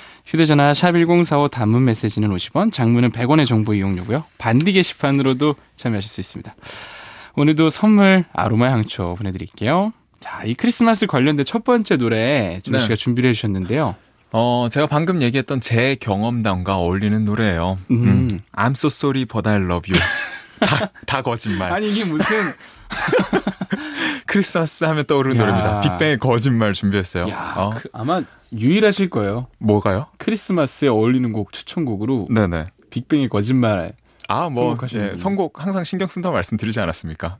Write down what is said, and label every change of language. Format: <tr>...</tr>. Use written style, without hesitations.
<ko>휴대전화 샵 1045 단문 메시지는 50원, 장문은 100원의 정보 이용료고요. 반디 게시판으로도 참여하실 수 있습니다. 오늘도 선물 아로마 향초 보내드릴게요. 자, 이 크리스마스 관련된 첫 번째 노래 준호 씨가 네. 준비를 해주셨는데요. 제가 방금 얘기했던 제 경험담과 어울리는 노래예요.</ko> <en>I'm so sorry but I love you.</en> <ko>다 거짓말. 아니 이게 무슨 크리스마스 하면 떠오르는 노래입니다. 빅뱅의 거짓말 준비했어요. 아마 유일하실 거예요. 뭐가요? 크리스마스에 어울리는 곡 추천곡으로 네네. 빅뱅의 거짓말. 아, 뭐 예, 선곡 항상 신경 쓴다고 말씀드리지 않았습니까?</ko>